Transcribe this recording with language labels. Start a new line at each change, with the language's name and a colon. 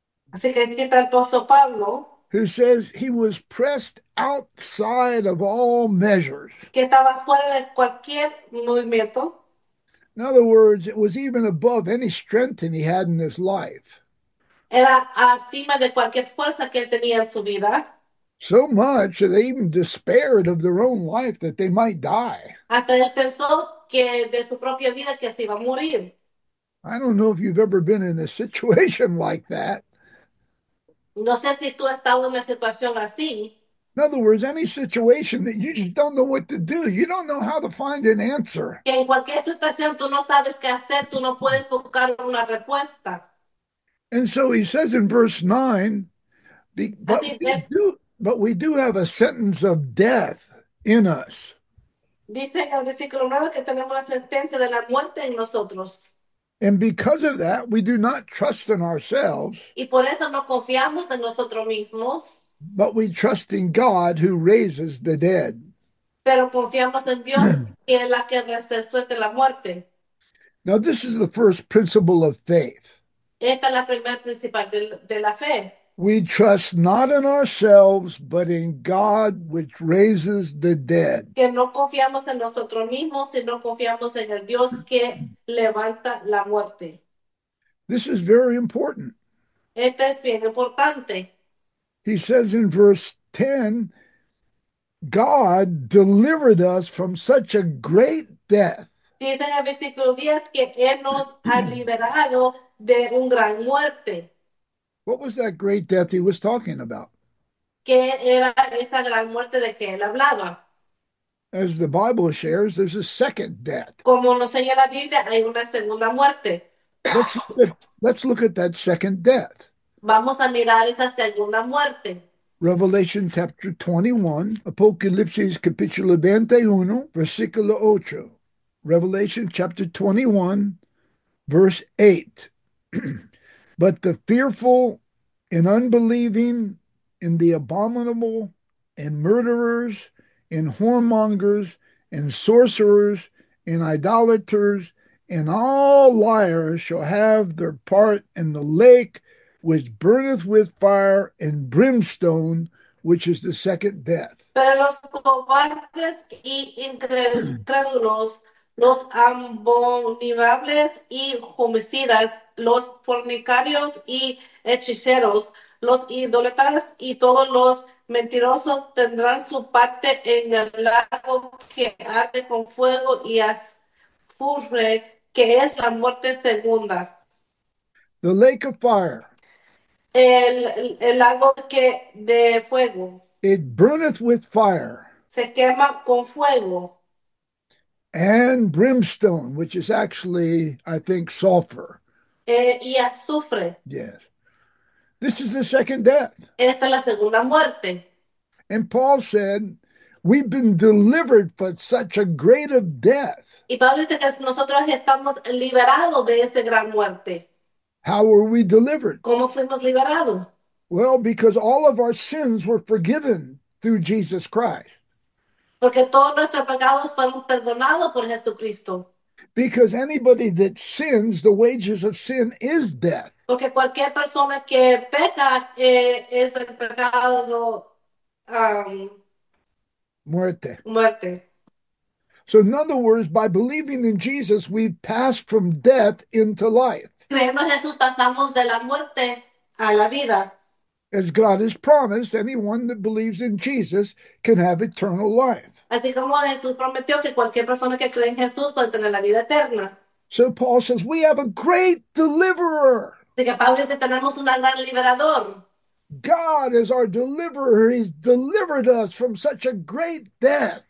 Spanish: Así que aquí está el apóstol Pablo,
English: who says he was pressed outside of all measures.
Spanish: que estaba fuera de cualquier movimiento.
English: In other words, it was even above any strength that he had in his life.
Spanish: Era encima de cualquier fuerza que él tenía en su vida.
English: So much that they even despaired of their own life that they might die.
Spanish: Hasta él pensó que de su propia vida que se iba a morir.
English: I don't know if you've ever been in a situation like that.
Spanish: No sé si tú has estado en una situación así.
English: In other words, any situation that you just don't know what to do, you don't know how to find an answer.
Spanish: Que en cualquier situación tú no sabes qué hacer, tú no puedes buscar una respuesta.
English: And so he says in verse 9,
Spanish: Así es.
English: but we do have a sentence of death in us.
Spanish: Dice en el versículo 9 que tenemos la sentencia de la muerte en nosotros.
English: And because of that, we do not trust in ourselves,
Spanish: Y por eso no confiamos en nosotros mismos.
English: but we trust in God who raises the dead.
Spanish: Pero confiamos en Dios,
English: Now,
Spanish: que es la que resucita la muerte.
English: this is the first principle of faith.
Spanish: Esta es la primera principal de la fe.
English: We trust not in ourselves, but in God which raises the dead.
Spanish: Que no confiamos en nosotros mismos, sino confiamos en el Dios que levanta la muerte.
English: This is very important.
Spanish: Esto es bien importante.
English: He says in verse 10, God delivered us from such a great death.
Spanish: Dice en el versículo 10 que Él nos ha liberado de un gran muerte.
English: What was that great death he was talking about?
Spanish: ¿Qué era esa gran muerte de que Él hablaba?
English: As the Bible shares, there's a second death.
Spanish: Como nos enseña la Biblia, hay una segunda muerte.
English: Let's look at that second death.
Spanish: Vamos a mirar esa segunda muerte.
English: Revelation chapter 21,
Spanish: Apocalipsis capítulo 21, versículo 8.
English: Revelation chapter 21, verse 8. But the fearful and unbelieving and the abominable and murderers and whoremongers and sorcerers and idolaters and all liars shall have their part in the lake which burneth with fire and brimstone, which is the second death.
Spanish: Pero los cobardes y incrédulos, los abominables y homicidas, los fornicarios y hechiceros, los idólatras y todos los mentirosos tendrán su parte en el lago que arde con fuego y azufre, que es la muerte segunda.
English: The lake of fire.
Spanish: El lago que de fuego
English: It burneth with fire
Spanish: se quema con fuego.
English: and brimstone, which is actually, I think, sulfur.
Spanish: Y azufre.
English: Yes. This is the second death.
Spanish: Esta es la segunda muerte.
English: And Paul said, we've been delivered from such a great of death.
Spanish: Y Pablo dice que nosotros estamos liberados de esa gran muerte.
English: How were we delivered?
Spanish: ¿Cómo fuimos liberados?
English: Well, because all of our sins were forgiven through Jesus Christ.
Spanish: Porque todos nuestros pecados fueron perdonados por Jesucristo.
English: Because anybody that sins, the wages of sin is death.
Spanish: Porque cualquier persona que peca es el pecado Muerte. muerte.
English: So, in other words, by believing in Jesus, we've passed from death into life.
Spanish: Creemos en Jesús, pasamos de la muerte a la vida.
English: As God has promised, anyone that believes in Jesus can have eternal life.
Spanish: Así como Jesús prometió que cualquier persona que cree en Jesús puede tener la vida eterna.
English: So Paul says, we have a great deliverer.
Spanish: Así que Pablo dice, tenemos un gran liberador.
English: God is our deliverer. He's delivered us from such a great death.